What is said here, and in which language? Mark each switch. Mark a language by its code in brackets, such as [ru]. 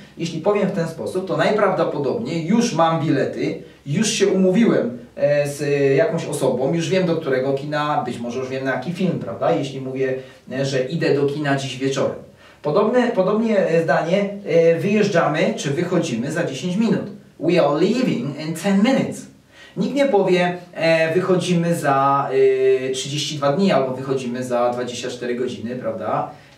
[pl] Jeśli powiem w ten sposób, to najprawdopodobniej już mam bilety, już się umówiłem z jakąś osobą, już wiem do którego kina, być może już wiem na jaki film, prawda, jeśli mówię, że idę do kina dziś wieczorem. Podobnie zdanie, wyjeżdżamy czy wychodzimy za 10 minut. [en] We are leaving in 10 minutes. [pl] Nikt nie powie, wychodzimy za 32 dni albo wychodzimy za 24 godziny, prawda?